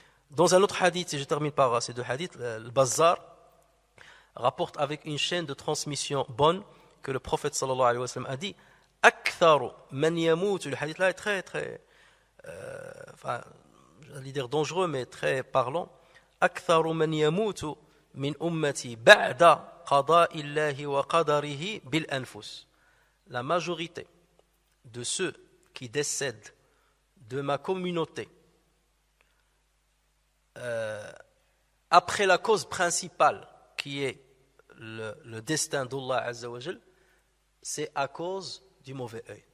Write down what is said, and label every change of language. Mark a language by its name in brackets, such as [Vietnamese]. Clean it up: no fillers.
[French] Dans un autre hadith, et je termine par ces deux hadiths, le Bazar rapporte avec une chaîne de transmission bonne que le prophète sallallahu alayhi wa sallam a dit « [Arabic] Aktharu man yamoutu [French] » Le hadith là est très très j'allais dire dangereux, mais très parlant. [Arabic] « Aktharu man yamoutu » من أمتي بعد قضاء الله وقدره بالأنفس. [French] La majorité de ceux qui décèdent de ma communauté après la cause principale qui est le destin d'Allah Azza wa Jal, c'est à cause du mauvais œil.